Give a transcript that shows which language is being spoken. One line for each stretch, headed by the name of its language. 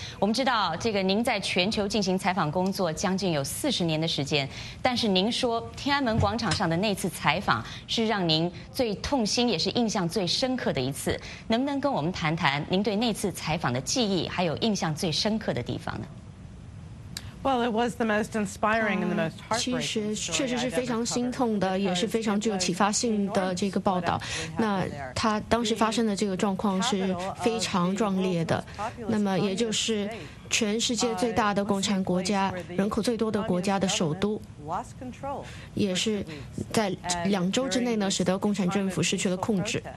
Chinese: 我们知道这个您在全球进行采访工作将近有40年的时间，但是您说天安门广场上的那次采访是让您最痛心也是印象最深刻的一次，能不能跟我们谈谈您对那次采访的记忆还有印象最深刻的地方呢？
English: Well, it was the most inspiring and the most heartbreaking.
Chinese: 其实确实是非常心痛的，也是非常具有启发性的这个报道。那他当时发生的这个状况是非常壮烈的，那么也就是全世界最大的共产国家、人口最多的国家的首都，也是在两周之内呢，使得共产政府失去了控制。